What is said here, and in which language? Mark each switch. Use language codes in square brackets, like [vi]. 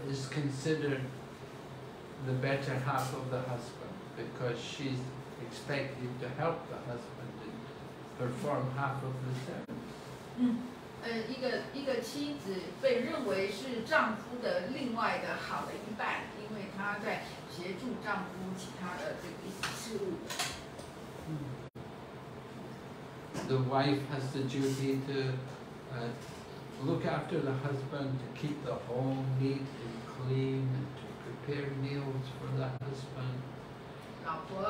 [en] is considered the better half of the husband because she's expected to help the husband to perform half of the service. [zh] 一个妻子被认为是丈夫的另外的好的一半，因为她在协助丈夫其他的这个事务。 [en] The wife has the duty to look after the husband, to keep the home neat and clean, and to prepare meals for the husband.